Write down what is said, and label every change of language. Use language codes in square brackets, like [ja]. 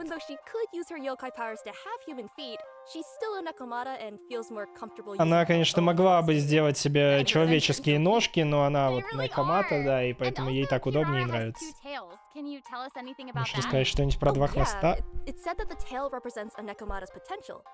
[en] Even though she could use her yokai powers to have human feet, she's still a Nekomata and feels more comfortable. [ru] Она, конечно, могла бы сделать себе человеческие ножки, но она вот Nekomata, да, и поэтому ей так удобнее нравится. Можешь рассказать что-нибудь про два хвоста? [en] It's said that the tail represents a Nekomata's potential.